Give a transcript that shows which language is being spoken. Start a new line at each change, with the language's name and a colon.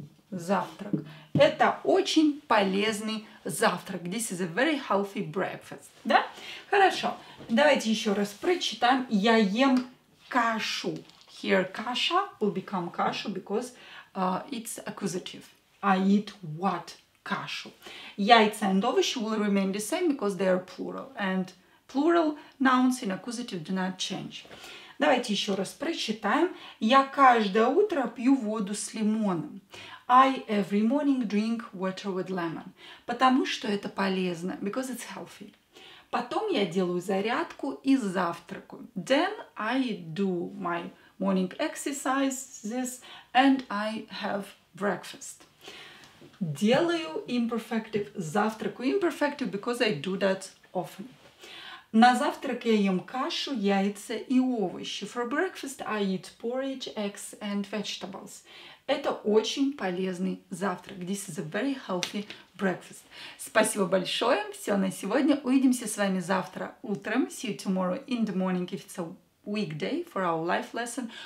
Russian: Завтрак. Это очень полезный завтрак.
English: This is a very healthy breakfast. Да? Хорошо.
Russian: Давайте еще раз прочитаем. Я ем кашу.
English: Here каша will become кашу because it's accusative. I eat what? Кашу. Яйца and овощи will remain the same because they are plural. And plural nouns in accusative do not change.
Russian: Давайте еще раз прочитаем. Я каждое утро пью воду с лимоном.
English: I every morning drink water with lemon. Потому что это полезно. Because it's healthy.
Russian: Потом я делаю зарядку и завтракаю.
English: Then I do my morning exercises and I have breakfast. Делаю imperfective. Завтракаю imperfective because I do that often.
Russian: На завтрак я ем кашу, яйца и овощи.
English: For breakfast I eat porridge, eggs and vegetables.
Russian: Это очень полезный завтрак.
English: This is a very healthy breakfast. Спасибо большое. Все на сегодня.
Russian: Увидимся с вами завтра утром.
English: See you tomorrow in the morning if it's a weekday for our life lesson.